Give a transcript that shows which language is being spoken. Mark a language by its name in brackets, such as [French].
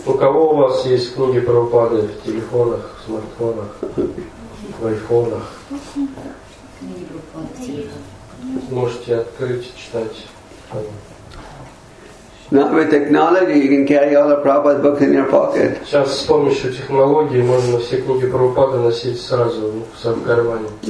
[Russian] У кого у вас есть книги Прабхупады в телефонах, в смартфонах, в айфонах? Можете открыть и читать. [English] Not with technology, you can carry all the Prabhupada's books in your pocket. [Russian] Сейчас с помощью технологии можно все книги Прабхупады носить сразу в своем кармане.